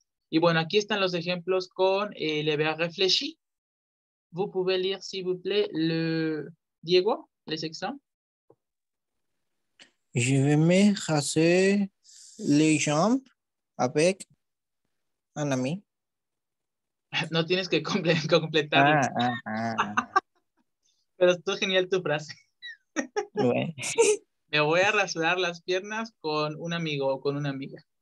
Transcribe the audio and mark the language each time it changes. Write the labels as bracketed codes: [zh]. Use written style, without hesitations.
[es] Y bueno, aquí están los ejemplos con [fr] le verbe réfléchir. Vous pouvez lire, s'il vous plaît, le Diego, les exemples. Je vais me raser les jambes avec un ami. [es] No tienes que completar. Pero esto es genial tu frase. Bueno. Me voy a rasurar las piernas con un amigo o con una amiga.